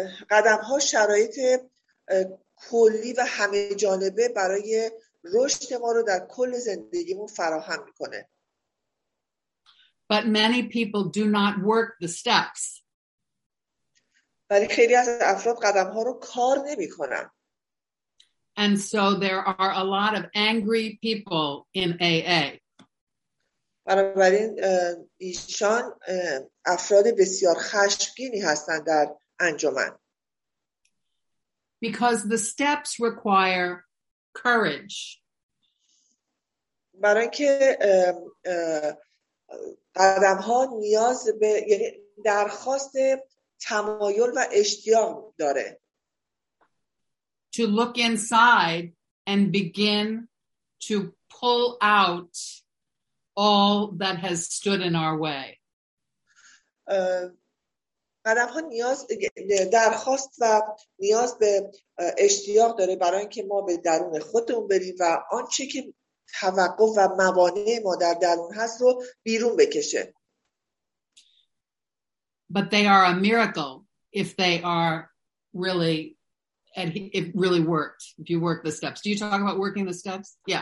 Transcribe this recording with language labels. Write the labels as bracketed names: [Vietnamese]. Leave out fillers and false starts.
[Persian] قدم‌ها شرایط کلی و همه جانبه برای رشد ما رو در کل زندگیمون فراهم می‌کنه. [English] But many people do not work the steps. [Persian] ولی خیلی از افراد قدم‌ها رو کار نمی‌کنن. [English] And so there are a lot of angry people in AA. [Persian] بنابراین ایشان افراد بسیار خشمگینی هستند در انجمن. [English] Because the steps require courage. [Persian] برای اینکه قدم ها نیاز به یعنی درخواست تمایل و اشتیاق داره. [English] To look inside and begin to pull out all that has stood in our way. [Persian] قدم‌ها نیاز درخواست و نیاز به اشتیاق داره برای اینکه ما به درون خودمون بریم و آنچه که توقف و موانع ما در درون هست رو بیرون بکشه. [English] But they are a miracle if they are really and it really worked if you work the steps. Do you talk about working the steps?